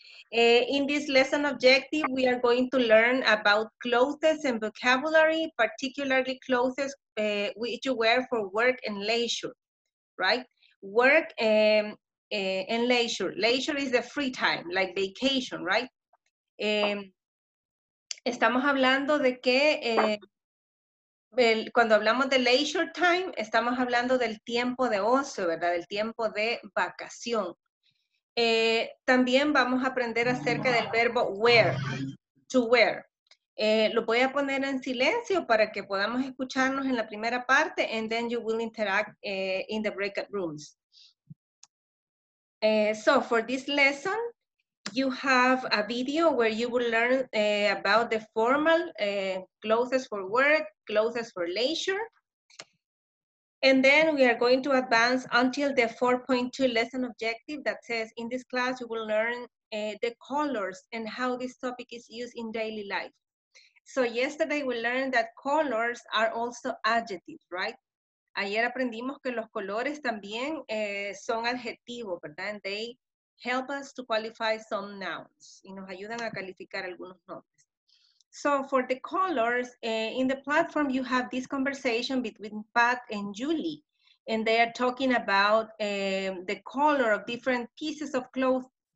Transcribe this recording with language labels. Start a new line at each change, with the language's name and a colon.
English: In this lesson objective, we are going to learn about clothes and vocabulary, particularly clothes which you wear for work and leisure, right? Work and leisure. Leisure is the free time, like vacation, right?
Spanish: Estamos hablando de que, cuando hablamos de leisure time, estamos hablando del tiempo de ocio, ¿verdad? Del tiempo de vacación. También vamos a aprender acerca del verbo wear, to wear. Lo voy a poner en silencio para que podamos escucharnos en la primera parte
English: and then you will interact in the breakout rooms. So for this lesson, you have a video where you will learn about the formal clothes for work, clothes for leisure. And then we are going to advance until the 4.2 lesson objective that says in this class you will learn the colors and how this topic is used in daily life. So yesterday we learned that colors are also adjectives, right?
Spanish: Ayer aprendimos que los colores también son adjetivos, ¿verdad?
English: And they help us to qualify some nouns.
Spanish: Y nos ayudan a calificar algunos nombres.
English: So for the colors, in the platform, you have this conversation between Pat and Julie, and they are talking about the color of different pieces of clothes.